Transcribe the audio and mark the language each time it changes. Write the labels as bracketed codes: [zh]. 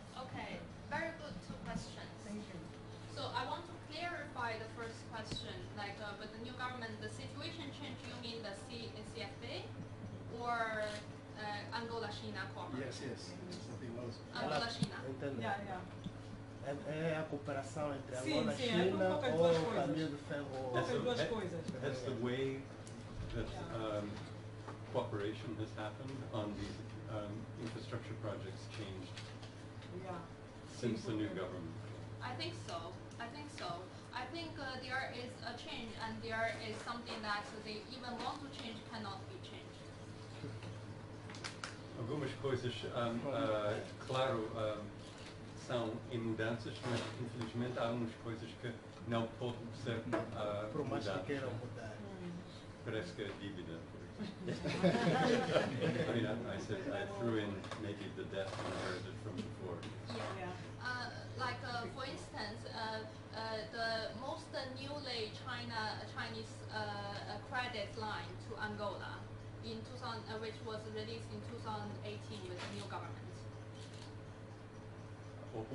[en] Okay, very good two questions. Thank you. So I want to clarify the first question, like with the new government, the situation change, you mean the CFA or Angola-China cooperation? Yes, yes. Angola-China. [pt] Entendo. [en] Yeah, yeah. [pt] É a cooperação entre Angola-China ou o caminho do ferro? Duas coisas. [en] Has the way that cooperation has happened on these infrastructure projects changed since the new government? I think so. I think there is a change and there is something that they even want to change cannot be changed. [pt] Algumas coisas, claro, são em mudanças, mas infelizmente há algumas coisas que não podem ser mudadas. Por mais que queiram mudar. Parece que a dívida. [en] I mean, I said I threw in maybe the debt when I heard it from before. For instance, the most newly Chinese credit line to Angola in 2000, which was released in 2018 with the new government.